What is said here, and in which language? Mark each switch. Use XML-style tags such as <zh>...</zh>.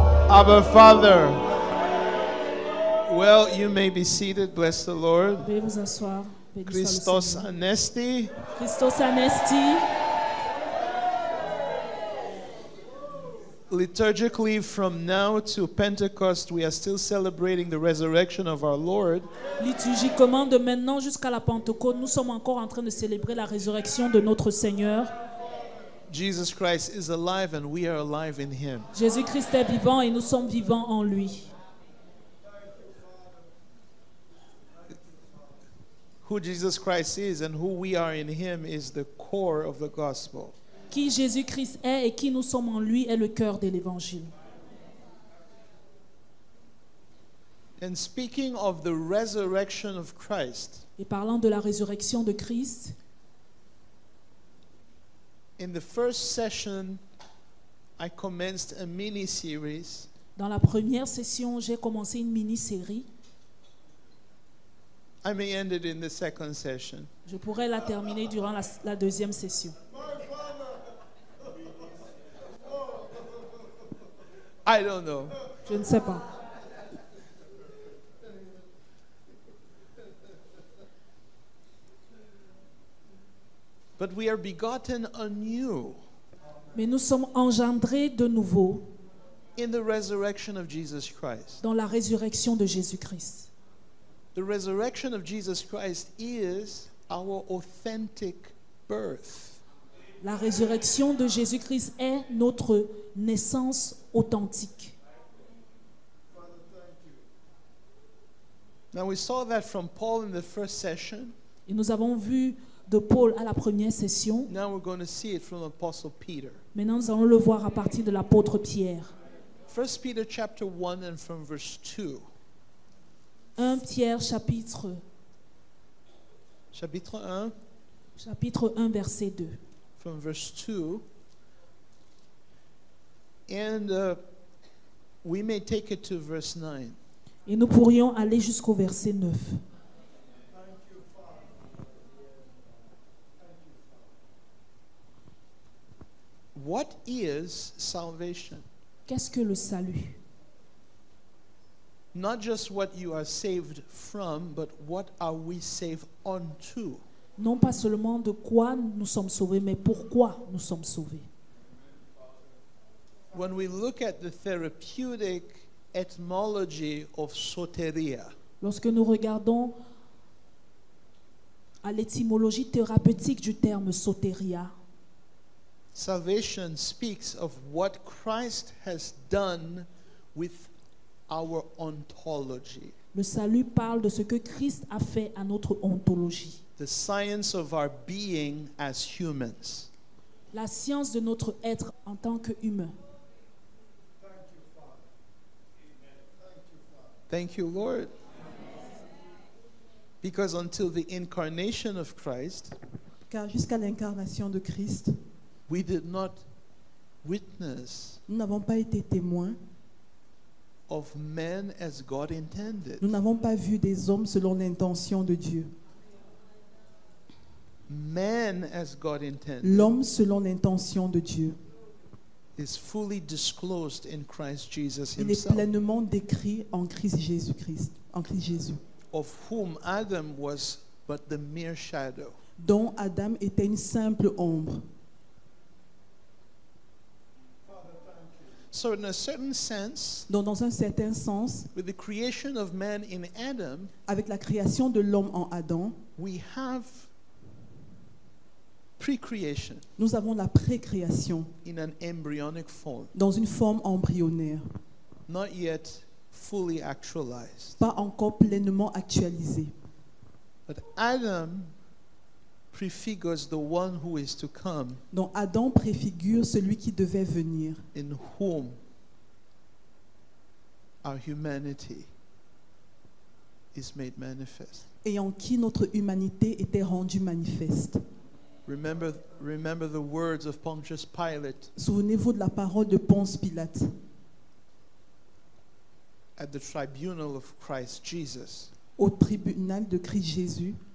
<en>Abba Father, well, you may be seated. Bless the Lord.</en> <el>Christos Anesti. Christos Anesti.</el> <en>Liturgically, from now to Pentecost, we are still celebrating the resurrection of our Lord.</en> <fr>Liturgiquement, de maintenant jusqu'à la Pentecôte, nous sommes encore en train de célébrer la résurrection de notre Seigneur.</fr> <en>Jesus Christ is alive and we are alive in him.</en> <fr>Jésus-Christ est vivant et nous sommes vivants en lui.</fr> <en>Who Jesus Christ is and who we are in him is the core of the gospel.</en> <fr>Qui Jésus-Christ est et qui nous sommes en lui est le cœur de l'évangile.</fr> <en>And speaking of the resurrection of Christ.</en> <fr>Et parlant de la résurrection de Christ.</fr> <en>In the first session, I commenced a mini-series.</en> <fr>Dans la première session, j'ai commencé une mini-série.</fr> <en>I may end it in the second session.</en> <fr>Je pourrais la terminer durant la deuxième session.</fr> <en>I don't know.</en> <fr>Je ne sais pas.</fr> <en>But we are begotten anew.</en> <fr>Mais nous sommes engendrés de nouveau.</fr> <en>In the resurrection of Jesus Christ.</en> <fr>Dans la résurrection de Jésus-Christ.</fr> <en>The resurrection of Jesus Christ is our authentic birth.</en> <fr>La résurrection de Jésus-Christ est notre naissance authentique.</fr> <en>Now we saw that from Paul in the first session.</en> <fr>Et nous avons vu de Paul à la première session.</fr> <en>Now we're going to see it from Apostle Peter.</en> <fr>Maintenant, nous allons le voir à partir de l'apôtre Pierre.</fr> <en>1 Peter chapter 1 and from verse 2.</en> <fr>1 Pierre chapitre. Chapitre 1. Chapitre 1 verset 2.</fr> <en>From verse 2. And we may take it to verse 9.</en> <fr>Et nous pourrions aller jusqu'au verset 9.</fr> <en>What is salvation?</en> <fr>Qu'est-ce que le salut?</fr> <en>Not just what you are saved from, but what are we saved unto?</en> <fr>Non pas seulement de quoi nous sommes sauvés, mais pourquoi nous sommes sauvés.</fr> <en>When we look at the therapeutic etymology of soteria.</en> <fr>Lorsque nous regardons à l'étymologie thérapeutique du terme soteria.</fr> <en>Salvation speaks of what Christ has done with our ontology.</en> <fr>Le salut parle de ce que Christ a fait à notre ontologie.</fr> <en>The science of our being as humans.</en> <fr>La science de notre être en tant que humain.</fr> <en>Thank you, Father. Amen. Thank you, Lord. Amen. Because until the incarnation of Christ,</en> <fr>car jusqu'à l'incarnation de Christ,</fr> <en>we did not witness.</en> <fr>Nous n'avons pas été témoins.</fr> <en>Of men as God intended.</en> <fr>Nous n'avons pas vu des hommes selon l'intention de Dieu.</fr> <en>Man as God intended.</en> <fr>L'homme selon l'intention de Dieu.</fr> <en>Is fully disclosed in Christ Jesus himself.</en> <fr>Il est pleinement décrit en Christ Jésus-Christ, en Christ Jésus.</fr> <en>of whom Adam was but the mere shadow.</en> <fr>Dont Adam était une simple ombre.</fr> <en>So in a certain sense,</en> <fr>donc dans un certain sens,</fr> <en>with the creation of man in Adam,</en> <fr>avec la création de l'homme en Adam,</fr> <en>we have pre-creation.</en> <fr>Nous avons la pré-création</fr> <en>in an embryonic form.</en> <fr>Dans une forme embryonnaire.</fr> <en>Not yet fully actualized.</en> <fr>Pas encore pleinement actualisée.</fr> <en>But Adam prefigures the one who is to come.</en> <fr>Donc Adam préfigure celui qui devait venir.</fr> <en>In whom our humanity is made manifest.</en> <fr>Et en qui notre humanité était rendue manifeste.</fr> <en>Remember the words of Pontius Pilate.</en> <fr>Souvenez-vous de la parole de Ponce Pilate.</fr> <en>At the tribunal of Christ Jesus.</en> <fr>Au tribunal de Christ Jésus.</fr>